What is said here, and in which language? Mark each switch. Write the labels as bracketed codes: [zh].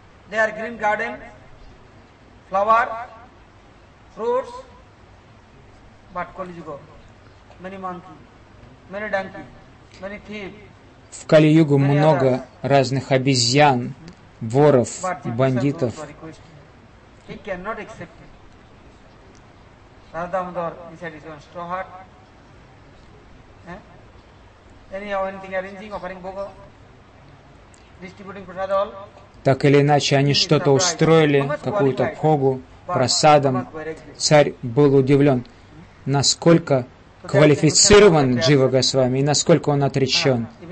[en] They are green garden, flower, fruits, but Kali Yuga, many monkey, many donkey, many thief. [ru] В Кали-Югу много разных обезьян, воров, бандитов. [en] He cannot accept it. Радамодар, he said his own straw hat. Anyhow, anything arranging, offering boga, distributing prasad all. [ru] Так или иначе, они что-то устроили, какую-то бхогу, просадом. Царь был удивлен, насколько квалифицирован Джива Госвами и насколько он отречен.